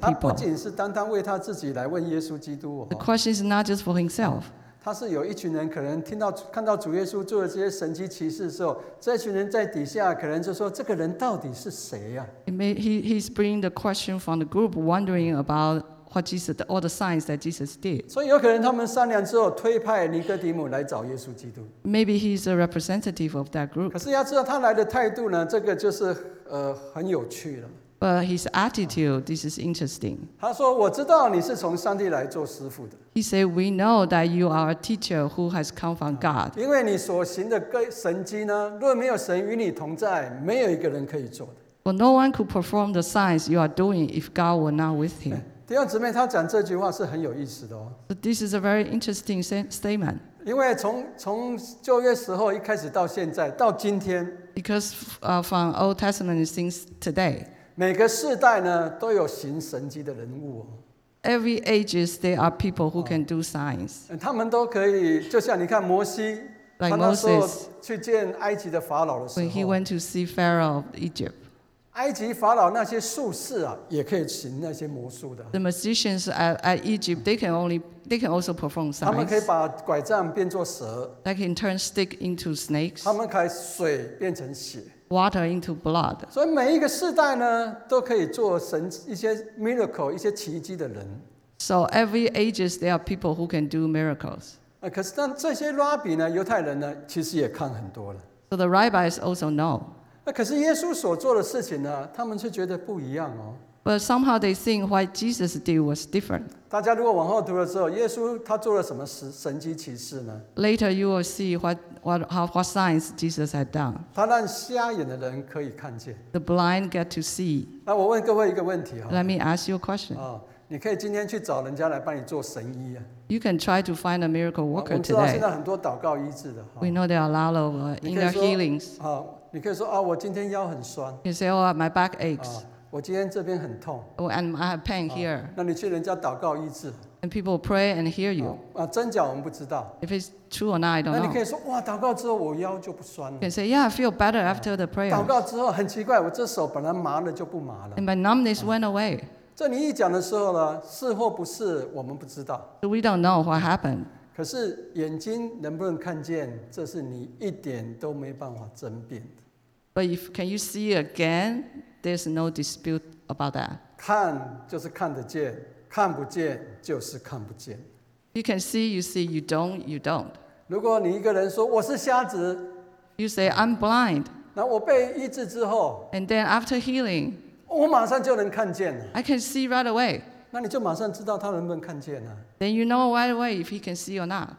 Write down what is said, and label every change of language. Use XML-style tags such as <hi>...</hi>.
<zh>他不仅是单单为他自己来问耶稣基督哦。</zh> <en>The question is not just for himself.</en> <zh>他是有一群人，可能听到看到主耶稣做的这些神迹奇事的时候，这群人在底下可能就说：“这个人到底是谁呀？”</zh> <en>He's bringing the question from the group, wondering about what Jesus, all the signs that Jesus did.</en> <zh>所以有可能他们商量之后推派尼哥底母来找耶稣基督。</zh> <en>Maybe he's a representative of that group.</en> <zh>可是要知道他来的态度呢，这个就是很有趣的。</zh> <en>But his attitude, this is interesting.</en> <zh>他说：“我知道你是从上帝来做师傅的。”</zh> <en>He said, "We know that you are a teacher who has come from God."</en> <zh>因为你所行的神迹呢，若没有神与你同在，没有一个人可以做的。</zh> <en>For no one could perform the signs you are doing if God were not with him.</en> <zh>弟兄姊妹，他讲这句话是很有意思的哦。</zh> <en>This is a very interesting statement.</en> <zh>因为从旧约时候一开始到现在到今天</zh> <en>，because from Old Testament since today，</en> <zh>每个世代呢都有行神迹的人物哦。</zh> <en>Every ages there are people who can do signs.</en> <zh>他们都可以，就像你看摩西。</zh> <en>Like Moses，</en> <zh>去见埃及的法老的时候</zh> <en>，when he went to see Pharaoh of Egypt。</en> <zh>埃及法老那些术士啊，也可以行那些魔术的。</zh> <en>The magicians at Egypt, they can also perform signs.</en> <zh>他们可以把拐杖变作蛇。</zh> <en>They can turn stick into snakes.</en> <zh>他们可以水变成血。</zh> <en>Water into blood.</en> <zh>所以每一个世代呢，都可以做神一些 miracle 一些奇迹的人。</zh> <en>So every ages there are people who can do miracles.</en> <zh>可是但这些拉比呢，犹太人呢，其实也看很多了。</zh> <en>So the rabbis also know.</en> <zh>可是耶稣所做的事情呢，他们却觉得不一样哦。</zh> <en>But somehow they think what Jesus did was different.</en> <zh>大家如果往后读的时候，耶稣他做了什么神迹奇事呢</zh> <en>？Later you will see what signs Jesus had done.</en> <zh>他让瞎眼的人可以看见。</zh> <en>The blind get to see.</en> <zh>那我问各位一个问题哦。</zh> <en>Let me ask you a question.</en> <zh>你可以今天去找人家来帮你做神医啊。</zh> <en>You can try to find a miracle worker today.</en> <zh>我们知道现在很多祷告医治的。</zh> <en>We know there are a lot of inner healings.</en> <zh>你可以说啊，我今天腰很酸。</zh> <en>You say, oh, my back aches.</en> <zh>我今天这边很痛。</zh> <en>Oh, and I have pain here.</en> <zh>那你去人家祷告医治。</zh> <en>And people pray and hear you.</en> <zh>真假我们不知道。</zh> <en>If it's true or not, I don't know.</en> <zh>那你可以说，哇，祷告之后我腰就不酸了。</zh> <en>You can say, yeah, I feel better after the prayer.</en> <zh>祷告之后很奇怪，我这手本来麻了就不麻了。</zh> <en>And my numbness went away.</en> <zh>这你一讲的时候呢，是或不是我们不知道。</zh> <en>So we don't know what happened.</en> <zh>可是眼睛能不能看见，这是你一点都没办法争辩的。</zh> <en>But if can you see again, there's no dispute about that.</en> <zh>看就是看得见，看不见就是看不见。</zh> <en>You can see, you see, you don't, you don't.</en> <zh>如果你一个人说我是瞎子</zh> <en>，You say I'm blind.</en> <zh>那我被医治之后</zh> <en>，And then after healing,</en> <zh>我马上就能看见了。</zh> <en>I can see right away.</en> <zh>那你就马上知道他能不能看见呢</zh> <en>？Then you know right away if he can see or not.</en>